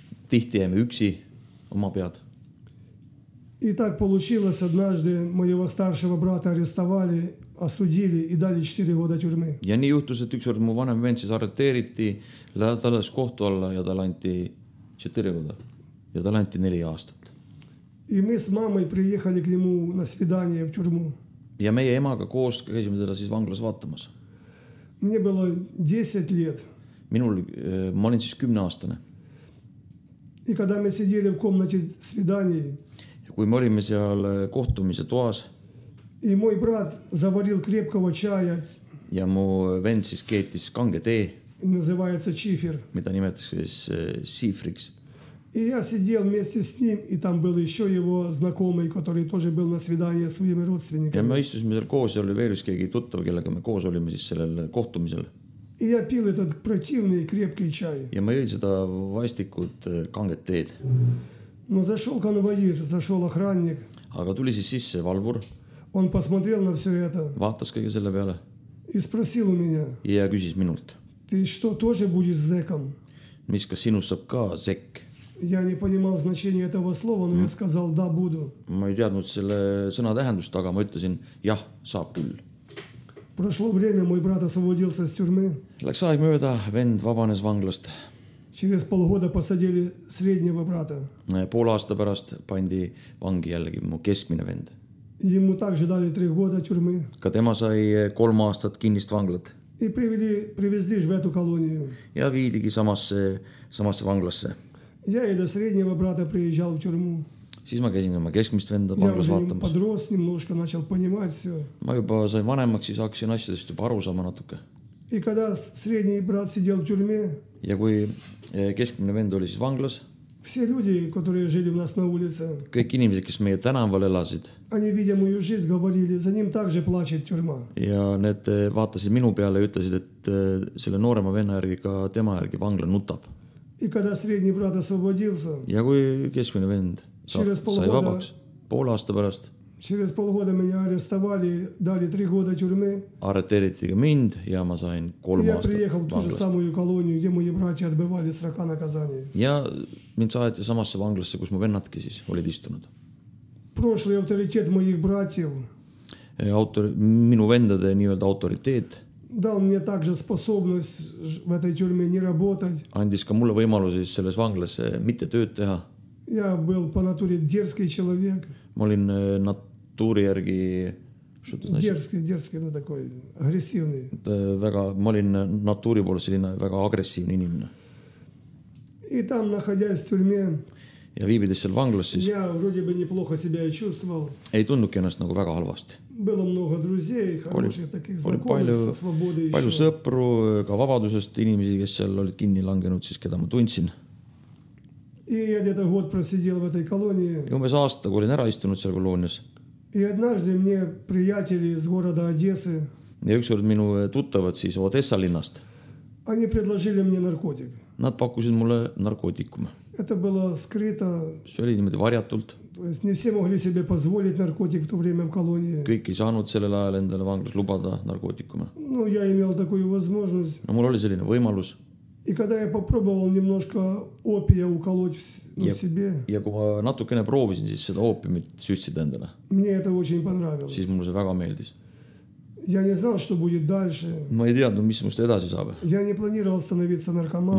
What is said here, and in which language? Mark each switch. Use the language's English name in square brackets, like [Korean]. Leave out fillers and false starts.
[Estonian] Tihti jääme üksi oma pead. [Russian] И так получилось, однажды моего старшего брата арестовали, осудили и дали 4 года тюрьмы. [Estonian] Ja nii juhtus, et ükskord mu vanem vend siis arreteeriti, ta läks kohtu alla ja ta anti 4 [Russian] года. [Estonian] Ja ta anti 4 aastat. [Russian] И мы с мамой приехали к нему на свидание в тюрьму. [Estonian] Ja meie emaga koos käisime teda siis vanglas vaatamas. [Russian] Мне было 10 лет. [Estonian] Minul, ma olin siis 10-aastane. [Russian] И когда мы сидели в комнате свиданий. [Estonian] Ja kui me olime seal kohtumise toas. [Russian] И мой брат заварил крепкого чая. [Estonian] Ja mu vend siis keetis kange tee. [Russian] Называется чифер. [Estonian] Mida nimetatakse siis сифрикс. [Russian] И я сидел вместе с ним, и там был еще его знакомый, который тоже был на свидании с своими родственниками. [Estonian] Ja me istusime seal koos, oli veel üks keegi tuttav, kellega me koos olime siis sellel kohtumisel. [Russian] И я пил этот противный крепкий чай. [Estonian] Ja ma jõin seda vastikud kanget teed. [Russian] Но зашел конвоир, зашел охранник. [Estonian] Aga tuli siis sisse valvur. [Russian] Он посмотрел на все это. [Estonian] Vaatas kõige selle peale. [Russian] И спросил у меня. [Estonian] Ja küsis minult. [Russian] Ты что, тоже будешь зэком? [Estonian] Mis ka sinus saab ka зэк? [Russian] Я не понимал значения этого слова, но я сказал, да, буду. [Estonian] Ma ei teadnud selle sõna tähendust, aga ma ütlesin, jah, saab küll. [Russian] Прошло время, мой брат освободился из тюрьмы. [Estonian] Läks aeg mööda, vend vabanes vanglast. [Russian] Через полгода посадили среднего брата. [Estonian] Pool aasta pärast pandi vangi jällegi mu keskmine vend. [Russian] Ему также дали 3 года тюрьмы. [Estonian] Ka tema sai 3 aastat kinnist vanglat. [Russian] И привезли в эту колонию. [Estonian] Ja viidigi samasse vanglasse. [Russian] Я и до среднего брата приезжал в тюрьму. [Estonian] Siis ma käisin oma keskmist venda vanglas vaatamas. [Russian] Подрос немножко, начал понимать все. [Estonian] Ma juba sain vanemaks, siis hakkasin asjadest juba aru saama natuke. [Russian] И когда средний брат сидел в тюрьме. [Estonian] Ja kui keskmine vend oli siis vanglas. [Russian] Все люди, которые жили у нас на улице. [Estonian] Kõik inimesed, kes meie tänaval elasid. [Russian] Они, видя мою жизнь, говорили, за ним также плачет тюрьма. [Estonian] Ja need vaatasid minu peale ja ütlesid, et selle noorema venna järgi ka tema järgi vangla nutab. [Russian] И когда средний брат освободился. [Estonian] Ja kui keskmine vend. Sai vabaks. Pool aasta pärast. [Russian] Через полгода меня арестовали, дали 3 года тюрьмы. [Estonian] Arreteeriti ka mind ja ma sain 3 aastat vanglast. [Russian] Я приехал в ту же самую колонию, где мои братья отбывали срока наказания. [Estonian] Ja mind saati samasse vanglasse, kus mu vennadki siis olid istunud. [Russian] Прошлый авторитет моих братьев. [Estonian] Minu vendade nii-öelda autoriteet. [Russian] Дал мне также способность в этой тюрьме не работать. [Estonian] Andis ka mulle võimaluse siis selles vanglase mitte tööd teha. [Russian] Я был по натуре дерзкий человек. [Estonian] Ma olin natuuri järgi... [Russian] Дерзкий, ну такой, агрессивный. [Estonian] Ma olin natuuri poole selline väga agressiivne inimene. [Russian] И там, находясь в тюрьме... [Estonian] ja viibides seal vanglas, siis ja, [Russian] вроде бы неплохо себя я чувствовал. [Estonian] Ei tundnudki ennast nagu väga halvasti. [Russian] Было много друзей, хороших таких знакомых, [Estonian] palju, [Russian] со свободой еще. [Estonian] Palju sõpru, ka vabadusest inimesi, kes seal olid kinni langenud, siis keda ma tundsin. [Russian] И я где-то год просидел в этой колонии. [Estonian] Ja umbes aasta, kui olin ära istunud seal koloonias. [Russian] И однажды мне приятели из города Одессы. [Estonian] Ja ükskord minu tuttavad siis Odessa linnast. [Russian] Они предложили мне наркотик. [Estonian] Nad pakkusid mulle narkootikume. [Russian] Это было скрыто. [Estonian] See oli niimoodi varjatult. [Russian] То есть не все могли себе позволить наркотик в то время в колонии. [Estonian] Kõik ei saanud sellel ajal endale vanglas lubada narkootikume. [Russian] Ну, я имел такую возможность. [Estonian] No, mul oli selline võimalus. [Russian] И когда я попробовал немножко опия уколоть в себе. [Estonian] Ja kui ma natukene proovisin siis seda oopiumit süstida endale. [Russian] Мне это очень понравилось. [Estonian] Siis mulle see väga meeldis. [Russian] Я не знал, что будет дальше. [Estonian] Ma ei teadnud, mis must edasi saab. [Russian] Я не планировал становиться наркоманом.